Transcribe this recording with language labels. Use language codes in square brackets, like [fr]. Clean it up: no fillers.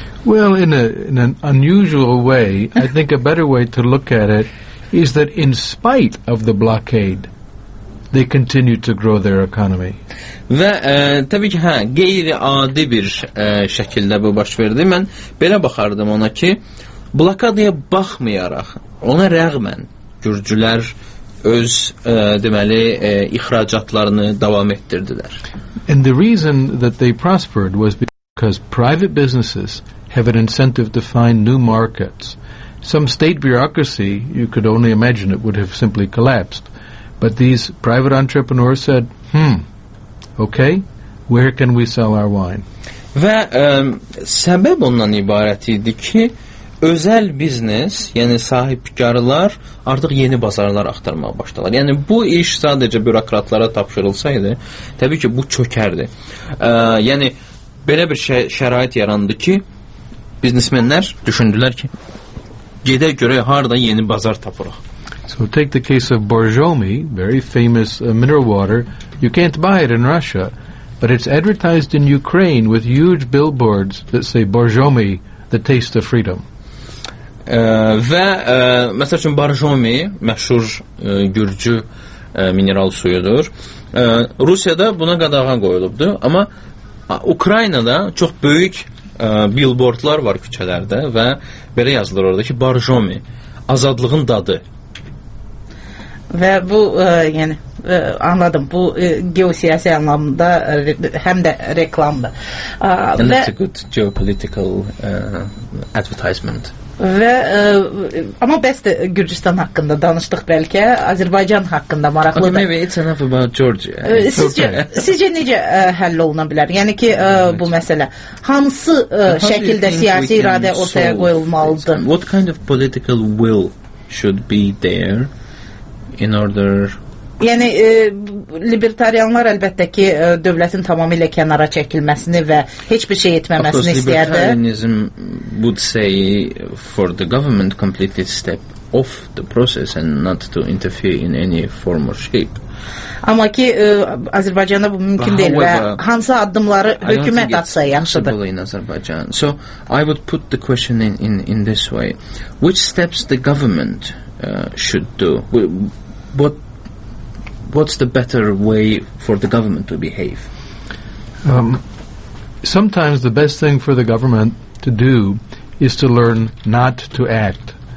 [en] Well, in an unusual way, I think a better way to look at it is that in spite of the blockade, they continue to grow their economy. [az] Və təbii ki, qeyri-adi bir şəkildə bu baş verdi. Mən belə baxardım ona ki, blokadaya baxmayaraq, ona rəğmən gürcülər öz deməli ixracatlarını davam etdirdilər. [en] And the reason that they prospered was because private businesses have an incentive to find new markets. Some state bureaucracy, you could only imagine it would have simply collapsed. But these private entrepreneurs said, okay, where can we sell our wine? [az] Və səbəb ondan ibarət idi ki, özəl biznes, yəni sahibkarlar artıq yeni bazarlar axtarmağa başladılar. Yəni bu iş sadəcə bürokratlara tapşırılsaydı, təbii ki, bu çökərdi. Yəni belə bir şərait yarandı ki, biznesmenlər düşündülər ki, gedək görək harda yeni bazar tapırıq. [en] So take the case of Borjomi, very famous mineral water. You can't buy it in Russia, but it's advertised in Ukraine with huge billboards that say Borjomi, the taste of freedom. [az] Məsəl üçün Borjomi, məşhur gürcü mineral suyudur. Rusiyada buna qadağa qoyulubdu, amma Ukraynada çox böyük billboardlar var küçələrdə və belə yazılır orada ki, Borjomi, azadlığın dadı. Və bu, yəni, anladım, bu geosiyasi anlamında həm də reklamdır. [en] And that's a good geopolitical advertisement. [az] Və amma bəs də Gürcüstan haqqında danışdıq bəlkə, Azərbaycan haqqında maraqlıdır. [en] Okay, maybe it's enough about Georgia. [az] Sizcə necə həll oluna bilər? Yəni ki, bu məsələ, hansı şəkildə siyasi iradə ortaya qoyulmalıdır? [en] What kind of political will should be there? In order, [az] yəni libertarianlar əlbəttə ki dövlətin tamamilə kənara çəkilməsini və heç bir şey etməməsini istəyərdi. [en] Libertarianism would say for the government completely step off the process and not to interfere in any form or shape. [az] Amma ki Azərbaycanda bu mümkün deyil və hansı addımları hökumət atsa yaxşıdır. [en] So I would put the question in this way. Which steps the government should do? What's the better way for the government to behave? Sometimes the best thing for the government to do is to learn not to act.